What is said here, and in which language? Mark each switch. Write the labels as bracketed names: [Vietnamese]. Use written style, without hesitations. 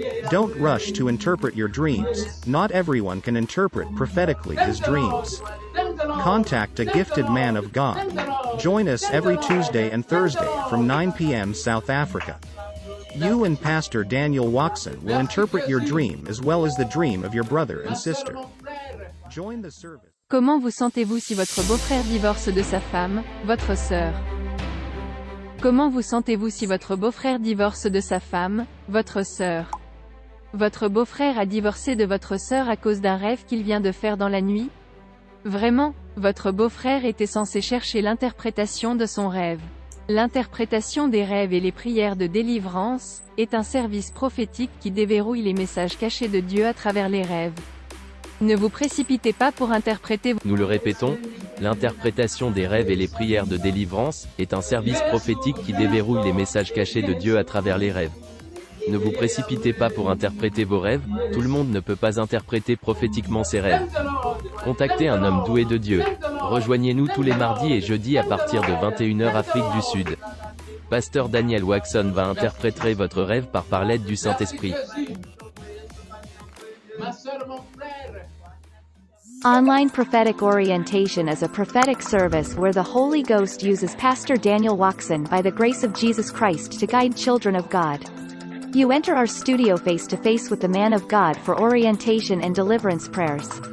[English] Don't rush to interpret your dreams. Not everyone can interpret prophetically his dreams. Contact a gifted man of God. Join us every Tuesday and Thursday from 9 p.m. South Africa. You and Pastor Daniel Watson will interpret your dream as well as the dream of your brother and sister. Join the service. [French] Comment vous sentez-vous si votre beau-frère divorce de sa femme, votre sœur? Comment vous sentez-vous si votre beau-frère divorce de sa femme, votre sœur? Votre beau-frère a divorcé de votre sœur à cause d'un rêve qu'il vient de faire dans la nuit? Vraiment, votre beau-frère était censé chercher l'interprétation de son rêve. L'interprétation des rêves et les prières de délivrance est un service prophétique qui déverrouille les messages cachés de Dieu à travers les rêves. Ne vous précipitez pas pour interpréter. Nous le répétons, l'interprétation des rêves et les prières de délivrance est un service prophétique qui déverrouille les messages cachés de Dieu à travers les rêves. Ne vous précipitez pas pour interpréter vos rêves, tout le monde ne peut pas interpréter prophétiquement ses rêves. Contactez un homme doué de Dieu. Rejoignez-nous tous les mardis et jeudis à partir de 21h Afrique du Sud. Pasteur Daniel Watson va interpréter votre rêve par l'aide du Saint-Esprit. [English] Online prophetic orientation is a prophetic service where the Holy Ghost uses Pastor Daniel Watson by the grace of Jesus Christ to guide children of God. You enter our studio face to face with the man of God for orientation and deliverance prayers.